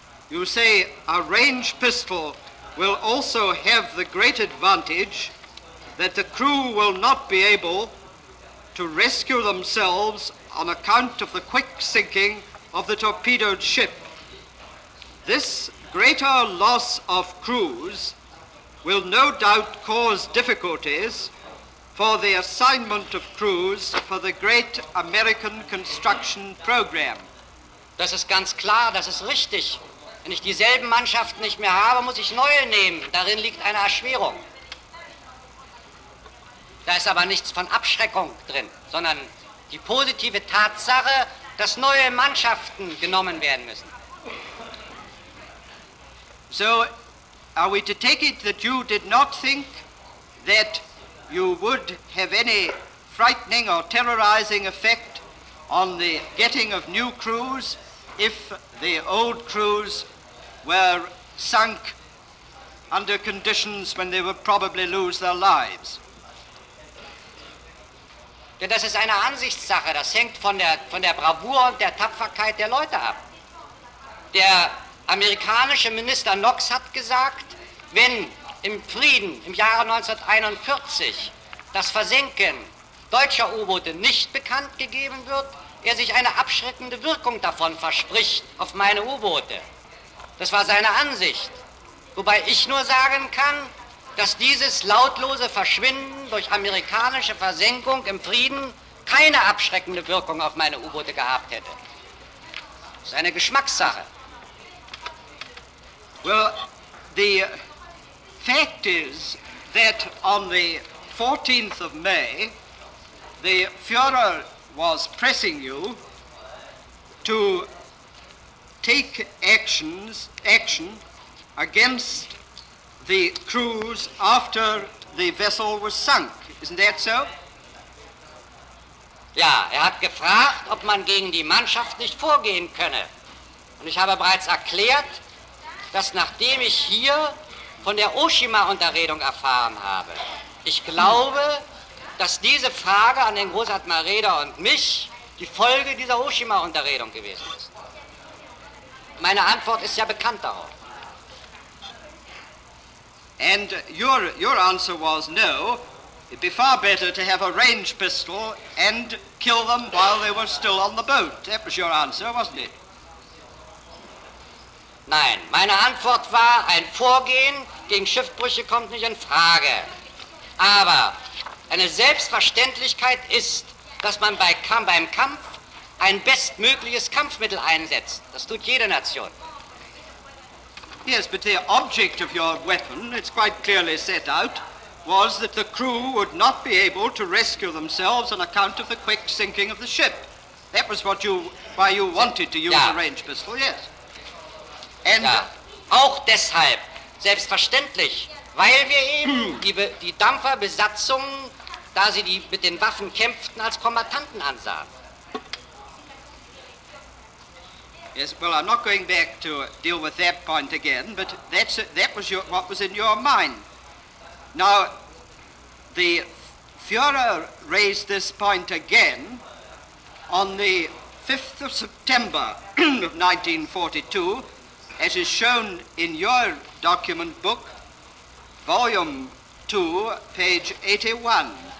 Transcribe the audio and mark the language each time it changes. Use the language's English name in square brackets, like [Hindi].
[English] You say a range pistol will also have the great advantage that the crew will not be able to rescue themselves on account of the quick sinking of the torpedoed ship. This greater loss of crews will no doubt cause difficulties for the assignment of crews for the great American construction program. [German] Das ist ganz klar, das ist richtig. Wenn ich dieselben Mannschaften nicht mehr habe, muss ich neue nehmen. Darin liegt eine Erschwerung. Da ist aber nichts von Abschreckung drin, sondern die positive Tatsache, dass neue Mannschaften genommen werden müssen. [English] So, are we to take it that you did not think that you would have any frightening or terrorizing effect on the getting of new crews if the old crews were sunk under conditions when they would probably lose their lives? [German] Denn das ist eine Ansichtssache, das hängt von der Bravour und der Tapferkeit der Leute ab. Der amerikanische Minister Knox hat gesagt, wenn im Frieden im Jahre 1941 das Versenken deutscher U-Boote nicht bekannt gegeben wird, er sich eine abschreckende Wirkung davon verspricht auf meine U-Boote. Das war seine Ansicht. Wobei ich nur sagen kann, dass dieses lautlose Verschwinden durch amerikanische Versenkung im Frieden keine abschreckende Wirkung auf meine U-Boote gehabt hätte. Das ist eine Geschmackssache. [English] Well, the fact is that on the 14th of May, the Führer was pressing you to take action against the crews after the vessel was sunk. Isn't that so? [German] Ja, hat gefragt, ob man gegen die Mannschaft nicht vorgehen könne. Und ich habe bereits erklärt, dass nachdem ich hier von der Oshima-Unterredung erfahren habe, ich glaube, dass diese Frage an den Großadmiral Reeder und mich die Folge dieser Oshima-Unterredung gewesen ist. Meine Antwort ist ja bekannt darauf. [English] And your answer was no. It'd be far better to have a range pistol and kill them while they were still on the boat. That was your answer, wasn't it? [German] Nein, meine Antwort war, ein Vorgehen gegen Schiffbrüche kommt nicht in Frage. Aber eine Selbstverständlichkeit ist, dass man beim Kampf ein bestmögliches Kampfmittel einsetzt. Das tut jede Nation. [English] Yes, but the object of your weapon, it's quite clearly set out, was that the crew would not be able to rescue themselves on account of the quick sinking of the ship. That was what why you wanted to use [German] ja. [English] The range pistol, yes. And ja. [German] Auch deshalb, selbstverständlich, weil wir eben die Dampferbesatzung, da sie die mit den Waffen kämpften, als Kombattanten ansahen. [English] Yes, well, I'm not going back to deal with that point again, but what was in your mind. Now, the Führer raised this point again on the 5th of September of 1942, as is shown in your document book, volume 2, page 81.